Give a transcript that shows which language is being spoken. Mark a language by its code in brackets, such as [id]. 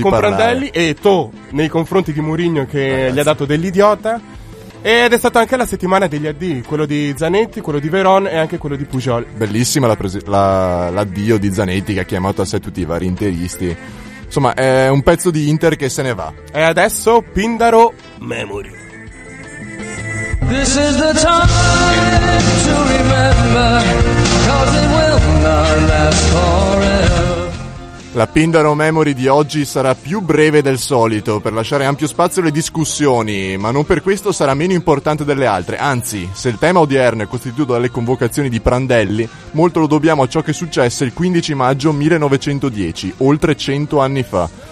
[it] con Prandelli e To nei confronti di Mourinho, che gli ha dato dell'idiota. Ed è stata anche la settimana degli addii, quello di Zanetti, quello di Veron e anche quello di Pujol. Bellissima l'addio di Zanetti, che ha chiamato a sé tutti i vari interisti. Insomma, è un pezzo di Inter che se ne va. E adesso Pindaro Memory. [en] This is the time to remember, 'cause it will not last forever. [it] La Pindaro Memory di oggi sarà più breve del solito, per lasciare ampio spazio alle discussioni, ma non per questo sarà meno importante delle altre. Anzi, se il tema odierno è costituito dalle convocazioni di Prandelli, molto lo dobbiamo a ciò che successe il 15 maggio 1910, oltre 100 anni fa.